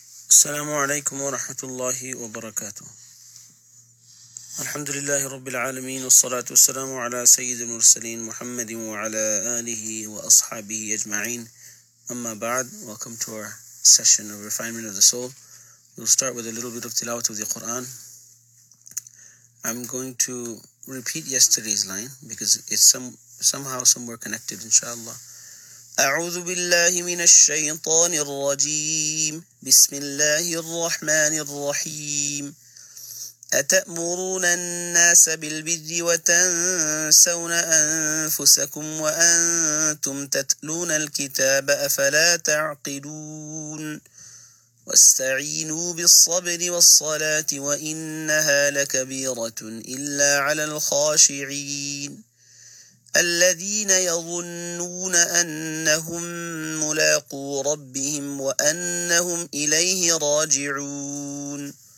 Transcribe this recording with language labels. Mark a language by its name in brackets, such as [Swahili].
[Arabic] السلام عليكم ورحمة الله وبركاته. الحمد لله رب العالمين، والصلاة والسلام على سيد المرسلين محمد وعلى آله وأصحابه أجمعين. أما بعد، [English] welcome to our session of refinement of the soul. We'll start with a little bit of tilawat of the Quran. I'm going to repeat yesterday's line because it's somewhere connected, inshallah. [Arabic] أعوذ بالله من الشيطان الرجيم بسم الله الرحمن الرحيم أتأمرون الناس بالبر وتنسون أنفسكم وأنتم تتلون الكتاب أفلا تعقلون واستعينوا بالصبر والصلاة وإنها لكبيرة إلا على الخاشعين الذين يظنون أنهم ملاقو ربهم وأنهم إليه راجعون.